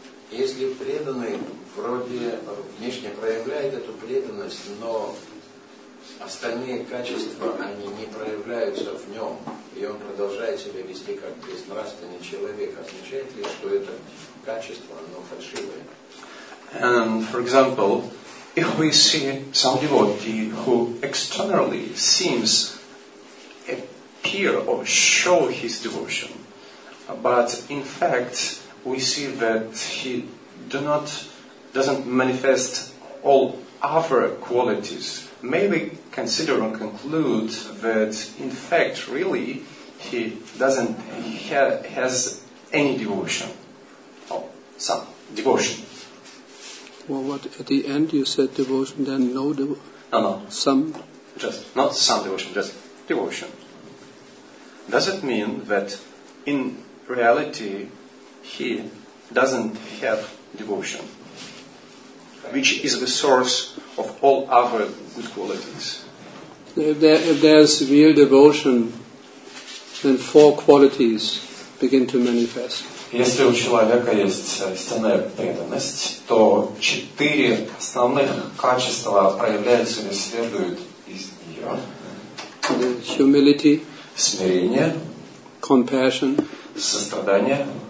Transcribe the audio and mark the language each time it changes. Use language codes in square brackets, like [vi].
[ru] Если преданный вроде внешне проявляет эту преданность, но остальные качества, они не проявляются в нем, и он продолжает себя вести как безнравственный человек. Означает ли, что это качество, оно фальшивое? [en] And, for example, if we see some devotee who externally seems appear or show his devotion, but in fact we see that he doesn't manifest all other qualities, maybe consider and conclude that in fact really he has any devotion or some devotion. Well, what at the end you said devotion, then no devotion. No, some. Just not some devotion, just devotion. Does it mean that in reality he doesn't have devotion, which is the source of all other good qualities. If there's real devotion, then four qualities begin to manifest. [ru] Если у человека есть истинная преданность, то четыре основных качества проявляются или следуют из нее. [en] Humility, [ru] смирение, [en] compassion, [ru] сострадание,